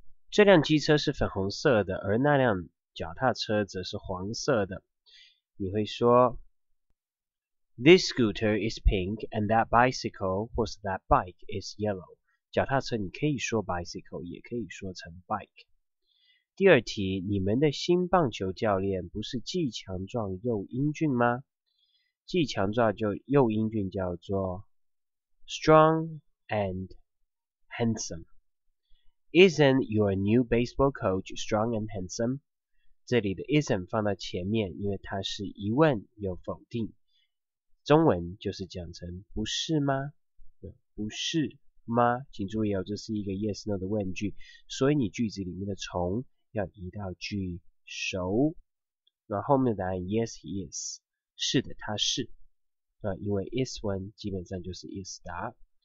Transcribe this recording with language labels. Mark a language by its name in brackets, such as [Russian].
[Chinese] 这辆机车是粉红色的，而那辆脚踏车则是黄色的。你会说， [English] This scooter is pink and that bicycle 或是 that bike is yellow。 [Chinese] 脚踏车你可以说 bicycle，也可以说成 bike。第二题，你们的新棒球教练不是既强壮又英俊吗？既强壮就又英俊，叫做 [English] strong and handsome。 Isn't your new baseball coach strong and handsome？ [Chinese] 这里的 isn't 放到前面，因为它是疑问又否定，中文就是讲成不是吗？不是吗？请注意哦，这是一个 yes no 的问句，所以你句子里面的从要移到句首，那后面的答案 [English] yes he is， [Chinese] 是的，他是，因为 is one 基本上就是 is 答。